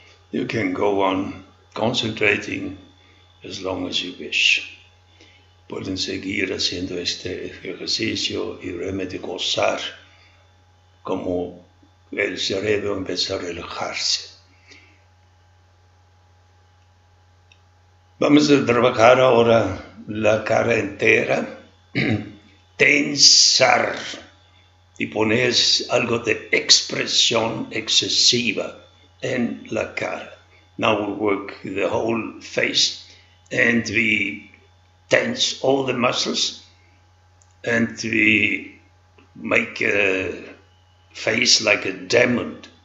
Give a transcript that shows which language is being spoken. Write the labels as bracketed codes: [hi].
[en] You can go on concentrating as long as you wish. [es] Pueden seguir haciendo este ejercicio y realmente gozar como el cerebro empieza a relajarse. Vamos a trabajar ahora la cara entera. Tensar y poner algo de expresión excesiva en la cara. [en] Now we work the whole face and we tense all the muscles and we make a face like a demon.